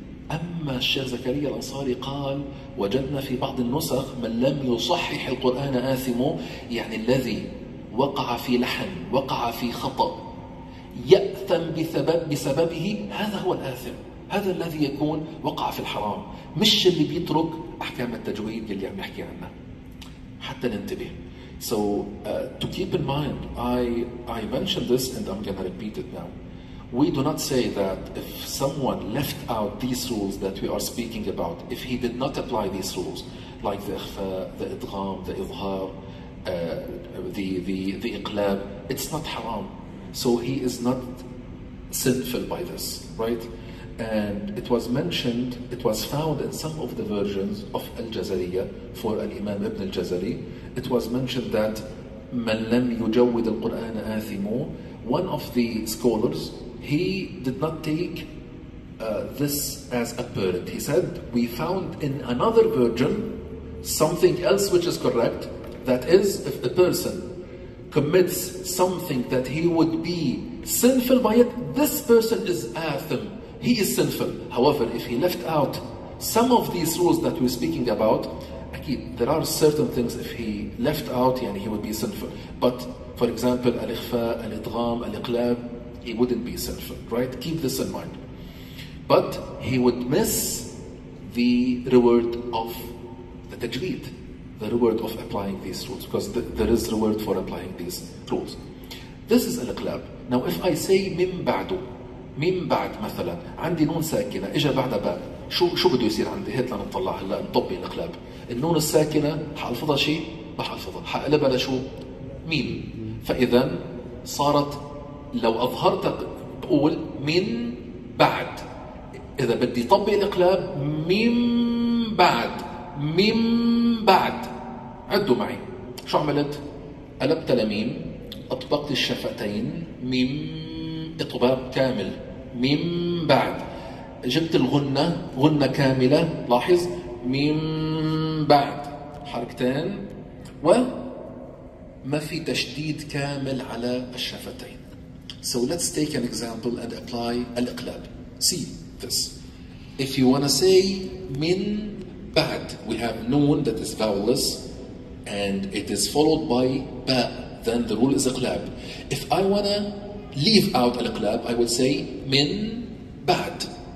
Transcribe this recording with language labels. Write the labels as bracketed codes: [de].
[ar] أما الشيخ زكريا الأنصاري قال وجدنا في بعض النسخ من لم يصحح القرآن آثمه, يعني الذي وقع في لحن, وقع في خطأ يأثم بسببه, هذا هو الآثم, هذا الذي يكون وقع في الحرام, مش اللي بيترك أحكام التجويد اللي عم يحكي عنها. حتى ننتبه. [en] So to keep in mind, I mentioned this and I'm gonna repeat it now. We do not say that if someone left out these rules that we are speaking about, if he did not apply these rules, like the إخفاء, the إدغام, the إظهار, the إقلاب. It's not haram. So he is not sinful by this, right? And it was mentioned, it was found in some of the versions of Al-Jazariya for Al-Imam Ibn Al-Jazari. It was mentioned that [ar] من لم يجود القرآن آثمو. [en] One of the scholars, he did not take this as a burden. He said, we found in another version something else which is correct. That is, if a person commits something that he would be sinful by it, this person is athim. He is sinful. However, if he left out some of these rules that we're speaking about, there are certain things if he left out, يعني he would be sinful. But for example, الإخفاء, الإدغام, الإقلاب, he wouldn't be sinful, right? Keep this in mind. But he would miss the reward of the تجريد, the reward of applying these rules, because there is reward for applying these rules. This is الإقلاب. [ar] Now, if I say من بعده, من بعد مثلا, عندي نون ساكنة, إجا بعد باء, شو بده يصير عندي؟ هات لنطلع هلا نطبي الإقلاب. النون الساكنة حألفظها شيء؟ ما حألفظها. حألبها لشو؟ ميم. فإذا صارت لو أظهرت بقول من بعد. إذا بدي طبي الإقلاب من بعد. من بعد. عدوا معي. شو عملت؟ قلبت لميم. أطبقت الشفتين. ميم إطباق كامل. من بعد. جبت الغنة. غنة كاملة. لاحظ. من بعد. حركتين. و ما في تشديد كامل على الشفتين. [en] So let's take an example and apply الإقلاب. See this. If you want to say [ar] من بعد, [en] we have noon that is vowelless and it is followed by باء, then the rule is إقلاب. If I want to leave out الإقلاب, I would say [ar] من بعد.